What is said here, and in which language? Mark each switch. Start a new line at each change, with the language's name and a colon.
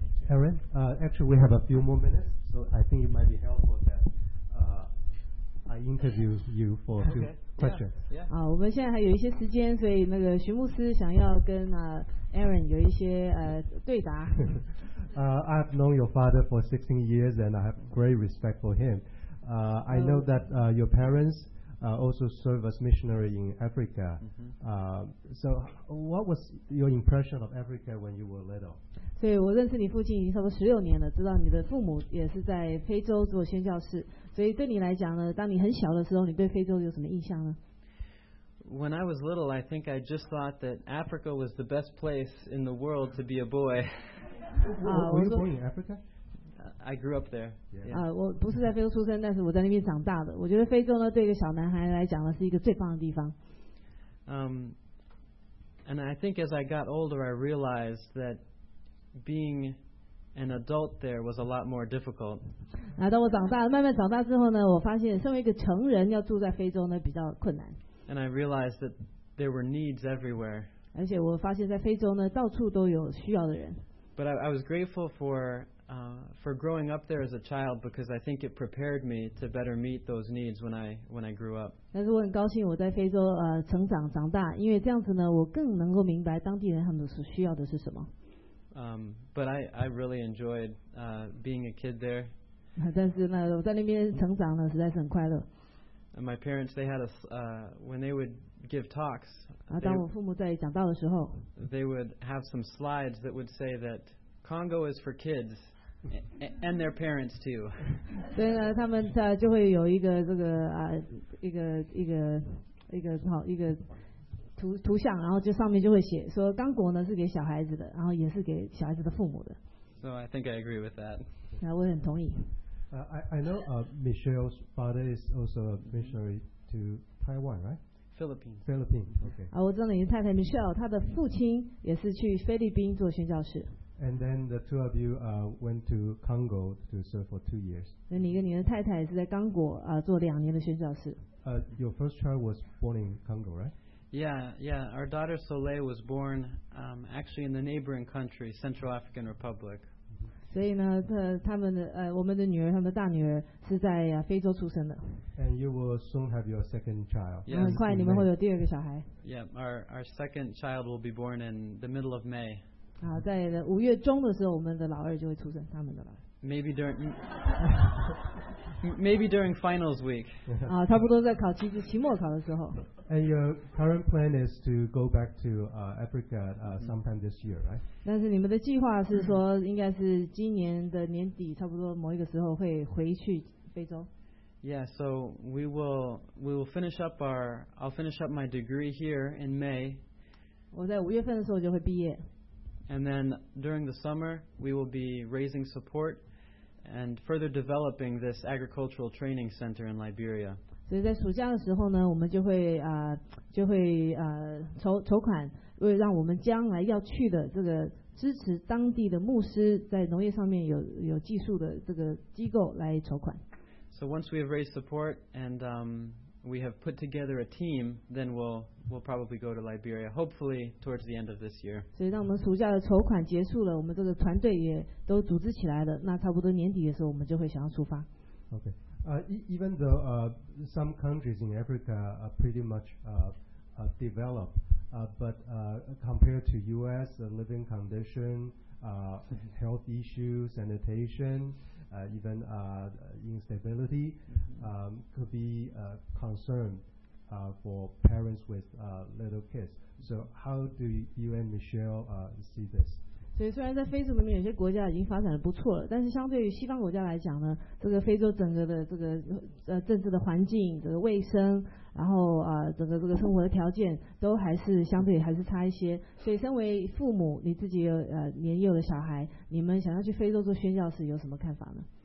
English: Aaron, actually we have a few more minutes, so I think it might be helpful that I interview you for a few questions. Yeah, yeah.
Chinese: 我们现在还有一些时间，所以那个徐牧师想要跟Aaron 有一些对答。
English: I've known your father for 16 years and I have great respect for him. I know that your parents also serve as missionary in Africa. Mm-hmm. So what was your impression of Africa when you were little?
Chinese: 所以我认识你父亲已经差不多16年了，知道你的父母也是在非洲做宣教士。所以对你来讲呢，当你很小的时候，你对非洲有什么印象呢？
English: When I was little, I think I just thought that Africa was the best place in the world to be a boy. Were you born in Africa? I grew up there. Yeah.
Chinese: 我不是在非洲出生，但是我在那边长大的。我觉得非洲呢，对一个小男孩来讲呢，是一个最棒的地方。
English: And I think as I got older, I realized that being an adult there was a lot more difficult.
Chinese: 当我长大了，慢慢长大之后呢，我发现身为一个成人要住在非洲呢，比较困难。
English: And I realized that there were needs everywhere.
Chinese: 而且我发现在非洲呢，到处都有需要的人。
English: But I was grateful for growing up there as a child because I think it prepared me to better meet those needs when I grew up.
Chinese: 但是我很高兴我在非洲成长长大，因为这样子呢，我更能够明白当地人他们所需要的是什么。
English: But I really enjoyed being a kid there.
Chinese: 但是呢，我在那边成长呢，实在是很快乐。
English: And my parents, they had when they would give talks,
Chinese: 当我父母在讲道的时候,
English: they would have some slides that would say that Congo is for kids and their parents too.
Chinese: 所以呢，他们就会有一个这个一个图像，然后就上面就会写说，刚果呢是给小孩子的，然后也是给小孩子的父母的。
English: So I think I agree with that.
Chinese: 那我很同意。
English: I know Michelle's father is also a missionary to Taiwan, right? Philippines. Okay.
Chinese: 我知道你的太太 Michelle， 她的父亲也是去菲律宾做宣教士。
English: And then the two of you went to Congo to serve for 2 years.
Chinese: 所以你跟你的太太是在刚果做两年的宣教士。
English: Your first child was born in Congo, right? Yeah. Our daughter Soleil was born actually in the neighboring country, Central African Republic.
Chinese: 所以呢，我们的女儿，他们的大女儿是在非洲出生的。
English: And you will soon have your second child.
Chinese: 很快你们会有第二个小孩。
English: Yeah, our second child will be born in the middle of May.
Chinese: 在五月中的时候，我们的老二就会出生，他们的老二。
English: Maybe during finals week.
Chinese: 差不多在考期期末考的时候。
English: And your current plan is to go back to Africa sometime this year, right?
Chinese: 但是你们的计划是说，应该是今年的年底，差不多某一个时候会回去非洲。
English: Yeah, so we will finish up I'll finish up my degree here in May.
Chinese: 我在五月份的时候就会毕业。
English: And then during the summer, we will be raising support and further developing this agricultural training center in Liberia.
Chinese: 所以在暑假的时候呢，我们就会筹款，为让我们将来要去的这个支持当地的牧师在农业上面有技术的这个机构来筹款。
English: So once we have raised support and we have put together a team, then we'll probably go to Liberia, hopefully towards the end of this year.
Chinese: 所以当我们暑假的筹款结束了，我们这个团队也都组织起来了，那差不多年底的时候，我们就会想要出发。
English: Okay. Even though some countries in Africa are pretty much developed, but compared to U.S., living condition, health issues, sanitation, even instability could be a concern for parents with little kids. So how do you and Michelle see this?
Chinese: 所以虽然在非洲里面有些国家已经发展得不错了，但是相对于西方国家来讲呢，这个非洲整个的这个政治的环境、这个卫生，然后整个这个生活的条件都还是相对还是差一些。所以身为父母，你自己有年幼的小孩，你们想要去非洲做宣教士有什么看法呢？